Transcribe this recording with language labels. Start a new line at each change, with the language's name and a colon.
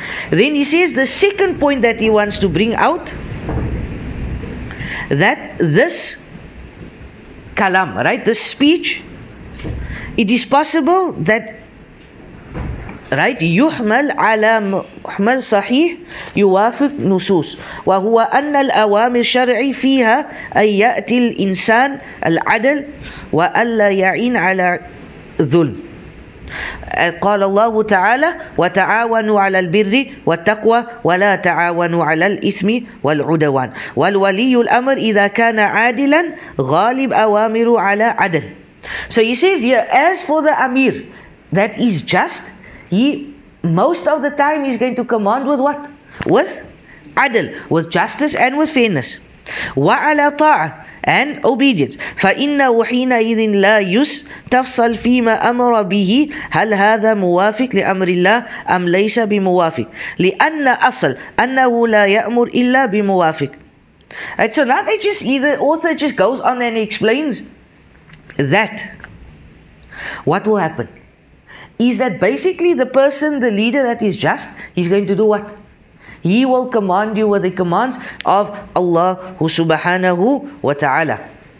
English: Then he says the second point that he wants to bring out, that this kalam, right, this speech, it is possible that, right,
Arabic: yuhmal ala muhmal sahih yuwafiq nusus wa huwa anna al awamir shar'i fiha ay ya'ti al insan al adl wa alla ya'in ala dhulm. قال الله تعالى وتعاونوا على البر والتقوى ولا تعاونوا على الإثم والعدوان والولي الأمر إذا كان عادلا غالب أوامر على عدل.
English: So he says here, as for the Amir that is just, he most of the time is going to command with what? With عدل, with justice and with fairness.
Arabic: وعلى طاعة
English: and obedience.
Arabic: فإنه حينئذ لا يس تفصل فيما أمر به هل هذا موافق لأمر الله أم ليس بموافق لأن أصل أنه لا يأمر إلا بموافق.
English: Right, so now they just, either author just goes on and explains that what will happen is that basically the person, the leader that is just, he's going to do what? He will command you with the commands of Allah subhanahu wa ta'ala.